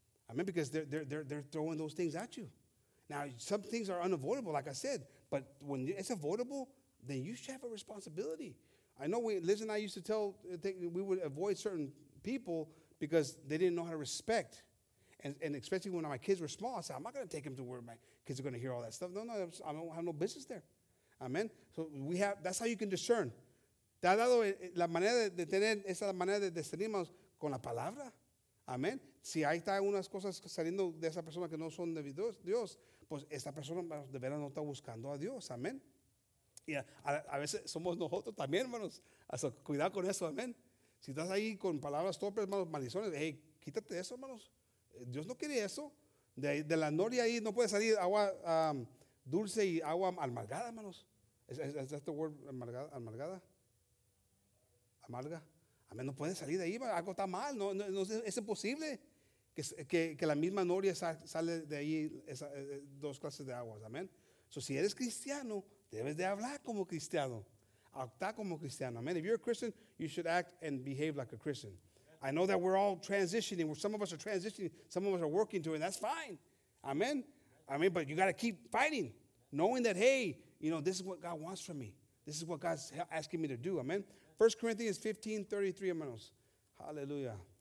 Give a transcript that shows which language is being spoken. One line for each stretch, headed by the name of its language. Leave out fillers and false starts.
English: I mean, because they're throwing those things at you. Now, some things are unavoidable, like I said, but when it's avoidable, then you should have a responsibility. I know Liz and I used to tell, we would avoid certain people because they didn't know how to respect. And especially when my kids were small, I said, I'm not going to take them to where my kids are going to hear all that stuff. No, I don't have no business there. Amen. So we have, that's how you can discern.
Spanish: Te ha dado la manera de tener, esa es la manera de discernirnos con la palabra. Amen. Si ahí está unas cosas saliendo de esa persona que no son de Dios, pues esa persona de veras no está buscando a Dios. Amen. Yeah, a veces somos nosotros también, hermanos. So, cuidado con eso, amén. Si estás ahí con palabras torpes, hermanos, maldiciones, hey, quítate eso, hermanos. Dios no quiere eso. De la noria ahí no puede salir agua dulce y agua amargada, hermanos.
English: Is that the word,
Spanish: amargada? Amarga. Amén, no puede salir de ahí, algo está mal, no, no, no es imposible que la misma noria sale de ahí esa, dos clases de aguas, amén. So, si eres cristiano, debes de hablar como cristiano, actuar como cristiano, amén.
English: If you're a Christian, you should act and behave like a Christian. I know that we're all transitioning, some of us are transitioning, some of us are working to it, and that's fine, amén. I mean, but you got to keep fighting, knowing that, hey, you know, this is what God wants from me. This is what God's asking me to do, amén. 1 Corinthians 15, 33, hermanos. Hallelujah.